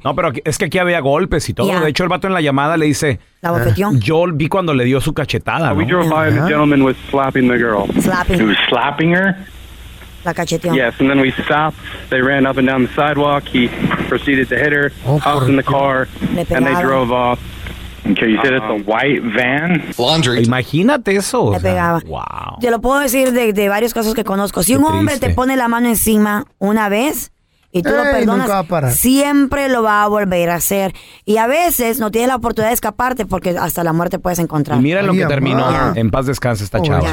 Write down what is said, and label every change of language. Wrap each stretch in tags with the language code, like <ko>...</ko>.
<es>No, pero es que aquí había golpes y todo. Yeah. De hecho, el vato en la llamada le dice... La bofetión. Yo vi cuando le dio su cachetada, ¿no?</es> <en>We drove by and the gentleman was slapping the girl. Slapping. He was slapping her.</en> <es>La cacheteó.</es> <en>Yes, and then we stopped. They ran up and down the sidewalk. He proceeded to hit her, hopped in the car, and they drove off. Okay, you said it's a white van?</en> <es>Laundry. Imagínate eso. Le pegaba.</es> <en>Wow.</en> <es>Yo lo puedo decir de varios casos que conozco. Si un hombre te pone la mano encima una vez y tú lo perdonas, siempre lo va a volver a hacer. Y a veces no tienes la oportunidad de escaparte porque hasta la muerte puedes encontrar. Y mira lo que terminó. En paz descanse esta chava.</es>